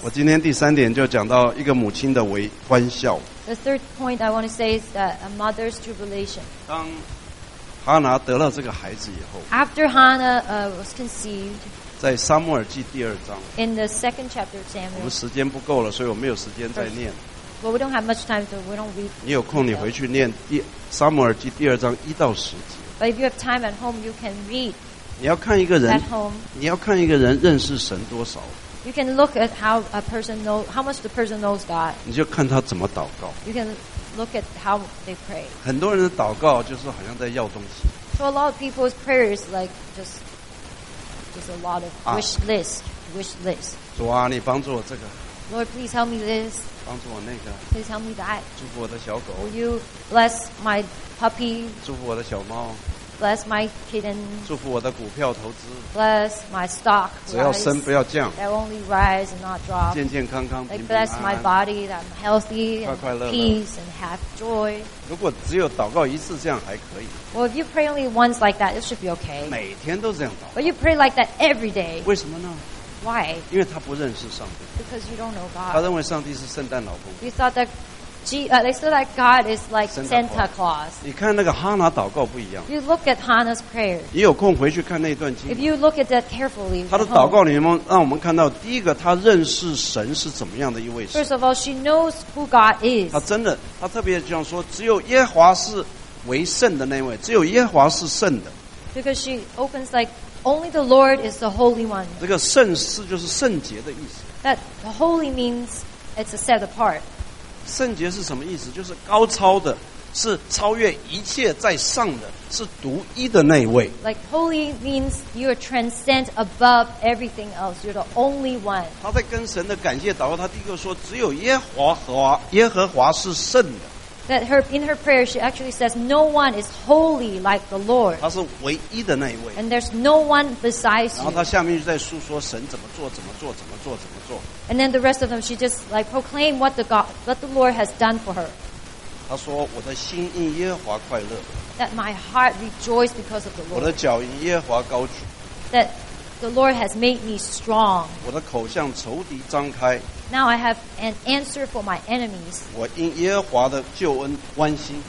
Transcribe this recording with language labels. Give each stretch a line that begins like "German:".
Chinese: 我今天第三点就讲到一个母亲的微欢笑。
English: The third point I want to say is that a mother's jubilation.
Chinese: 当哈拿得了这个孩子以后。
English: After Hannah was conceived.
Chinese: 在撒母耳记第二章。
English: In the second chapter of Samuel.
Chinese: 我们时间不够了，所以我没有时间再念。
English: First,But we don't have much time, so we don't read.
Chinese: 你有空，你回去念第撒母耳记第二章一到十节。
English: But if you have time at home, you can read.
Chinese: 你要看一个人
English: at home.
Chinese: 你要看一个人认识神多少。
English: You can look at how a person knows how much the person knows God.
Chinese: 你就看他怎么祷告。
English: You can look at how they pray.
Chinese: 很多人的祷告就是好像在要东西。
English: So a lot of people's prayer is like just a lot of wish list.
Chinese: 主啊，你帮助我这个。
English: Lord, please help me this.
Chinese: 帮助我那个。
English: Please help me that.
Chinese: 祝福我的小狗。
English: Will you bless my puppy?
Chinese: 祝福我的小猫。
English: Bless my kitten.
Chinese: 祝福我的股票投资。
English: Bless my stock.
Chinese: 只要升不要降。
English: That only rise and not drop.
Chinese: 健健康康平平安安。
English: Bless my body that I'm healthy.
Chinese: 快快乐乐。
English: Peace and have joy.
Chinese: 如果只有祷告一次这样还可以。
English: Well, if you pray only once like that, it should be okay.
Chinese: 每天都这样祷告。
English: But you pray like that every day.
Chinese: 为什么呢？
English: Why?
Chinese: 因为他不认识上帝。
English: Because you don't know God.
Chinese: 他认为上帝是圣诞老公。
English: You thought that they thought that God is like Santa Claus.
Chinese: 你看那个哈拿祷告不一样。
English: You look at Hannah's prayer.
Chinese: 你有空回去看那段经文。
English: If you look at that carefully,
Chinese: 他的祷告里面让我们看到，第一个，他认识神是怎么样的一位神。
English: First of all, she knows who God is.
Chinese: 他真的，他特别这样说，只有耶和华是为圣的那位，只有耶和华是圣的。
English: Because she opens like. Only the Lord is the Holy One.
Chinese: 这个圣是就是圣洁的意思。
English: That the holy means it's a set apart.
Chinese: 圣洁是什么意思？就是高超的，是超越一切在上的，是独一的那一位。
English: Like holy means you are transcend above everything else. You're the only one.
Chinese: 他在跟神的感谢祷告，他第一个说，只有耶和华是圣的。
English: That in her prayer, she actually says, no one is holy like the Lord.
Chinese: 他是唯一的那一位。
English: And there's no one besides you.
Chinese: 然后他下面就在述说神怎么做，怎么做，怎么做，怎么做。
English: And then the rest of them, she just like proclaim what the Lord has done for her.
Chinese: 他说我的心因耶和华快乐。
English: That my heart rejoiced because of the Lord.
Chinese: 我的脚因耶和华高举。
English: That the Lord has made me strong.
Chinese: 我的口向仇敌张开。
English: Now I have an answer for my enemies.
Chinese: 我因耶和华的救恩欢心。